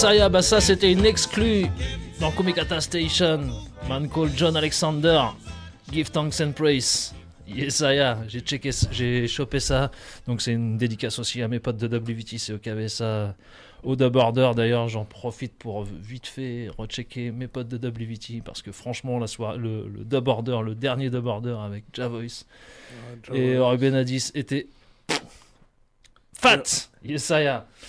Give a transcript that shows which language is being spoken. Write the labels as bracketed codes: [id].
[fr] Bah ça c'était une exclue dans Kumikata Station. [en] Man called John Alexander, give thanks and praise. Yes, I am. [fr] J'ai checké, j'ai chopé ça. Donc c'est une dédicace aussi à mes potes de WT, c'est au KVSA, au Dub Order. D'ailleurs j'en profite pour vite fait rechecker mes potes de WT, parce que franchement la soirée, le Dub Order, le dernier Dub Order avec Javoice et Ruben Addis était fat. [en] Yes, I am.